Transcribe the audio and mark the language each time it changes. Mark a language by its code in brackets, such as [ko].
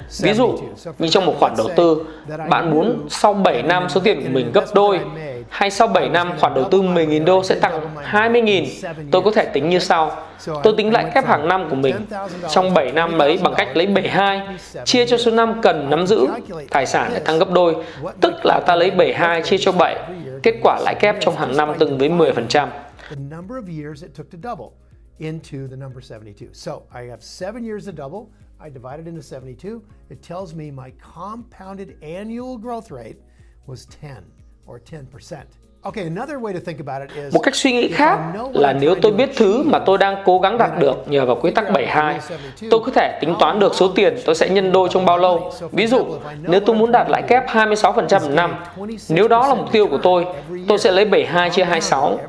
[vi] Ví dụ, như trong một khoản đầu tư, bạn muốn sau 7 năm số tiền của mình gấp đôi, hay sau 7 năm khoản đầu tư 10.000 đô sẽ tăng 20.000, tôi có thể tính như sau. Tôi tính lãi kép hàng năm của mình trong 7 năm đấy bằng cách lấy 72 chia cho số năm cần nắm giữ tài sản để tăng gấp đôi, tức là ta lấy 72 chia cho 7. Kết quả lãi kép trong hàng năm tương với 10%. [en] The number of years it took to double into the number 72. So, I have 7 years to double, I divided into 72, it tells me my compounded annual growth rate was 10 or 10%. Okay, another way to think about it is [vi] một cách suy nghĩ khác là nếu tôi biết thứ mà tôi đang cố gắng đạt được nhờ vào quy tắc 72, tôi có thể tính toán được số tiền tôi sẽ nhân đôi trong bao lâu. Ví dụ, nếu tôi muốn đạt lãi kép 26% một năm, nếu đó là mục tiêu của tôi sẽ lấy 72 chia 26.